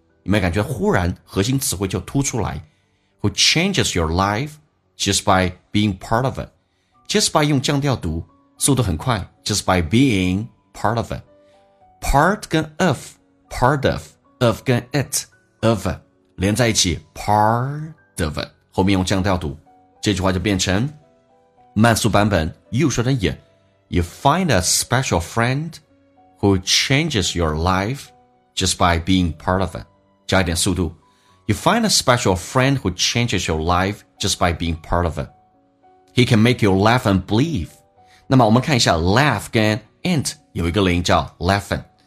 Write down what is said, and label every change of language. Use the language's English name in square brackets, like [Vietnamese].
[Chinese] 你们感觉忽然核心词汇就突出来。 [English] Who changes your life just by being part of it? Just by [Chinese] 用降调读，速度很快。 [English] Just by being part of it. Part 跟 of, part of 跟 it, of [Chinese] 连在一起 [English] part of it. [Chinese] 后面用降调读，这句话就变成慢速版本。 [English] You 说成 you find a special friend who changes your life. Just by being part of it. [Chinese] 加一点速度。 [English] You find a special friend who changes your life just by being part of it. He can make you laugh and believe. [Chinese] 那么我们看一下 [English] laugh 跟 int [Chinese] 有一个连音叫 [English] laughin.